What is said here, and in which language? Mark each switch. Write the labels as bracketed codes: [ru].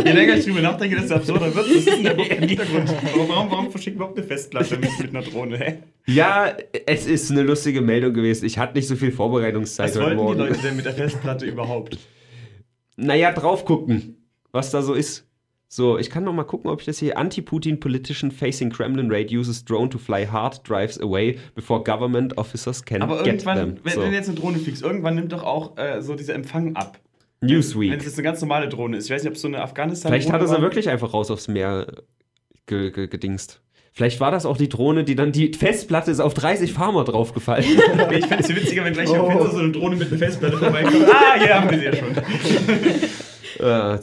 [de] Je länger ich drüber nachdenke, desto absurder wird es. Das ist in der Hintergrund. Warum verschicken wir überhaupt eine Festplatte mit einer Drohne? Hä? Ja, es ist eine lustige Meldung gewesen. Ich hatte nicht so viel Vorbereitungszeit. Was wollten die Leute denn mit der Festplatte überhaupt? Naja, drauf gucken, was da so ist. So, ich kann noch mal gucken, ob ich das hier... [en] Anti-Putin-Politician facing Kremlin raid uses drone to fly hard drives away before government officers can get them. [de] Aber irgendwann, wenn jetzt eine Drohne fliegt, irgendwann nimmt doch auch so dieser Empfang ab. [en] Newsweek. [de] Wenn es jetzt eine ganz normale Drohne ist. Ich weiß nicht, ob es so eine Afghanistan-Drohne vielleicht hat es er wirklich einfach raus aufs Meer gedingst. Vielleicht war das auch die Drohne, die dann die Festplatte ist auf 30 Farmer draufgefallen. Ich fände es viel witziger, wenn gleich auf Winter so eine Drohne mit einer Festplatte vorbeikommt. Ah, hier haben wir sie ja schon.